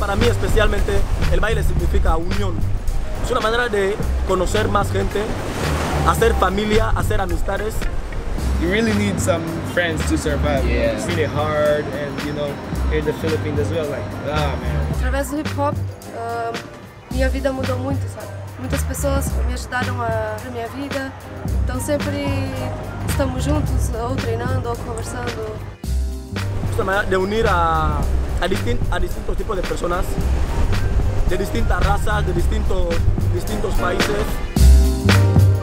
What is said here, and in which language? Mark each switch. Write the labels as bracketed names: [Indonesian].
[Spanish] Especialmente el baile significa unión, es una manera de conocer más gente, hacer familia, hacer amistades. [English] You really need some friends to survive. Yeah. It's really hard, and you know, here in the Philippines as well, like, ah, man. [Portuguese] Através do hip hop, minha vida mudou muito, sabe? Muitas pessoas me ajudaram a minha vida, então sempre estamos juntos, ou treinando, ou conversando. [Spanish] Es una manera de unir a distintos tipos de personas, de distintas razas, de distintos países.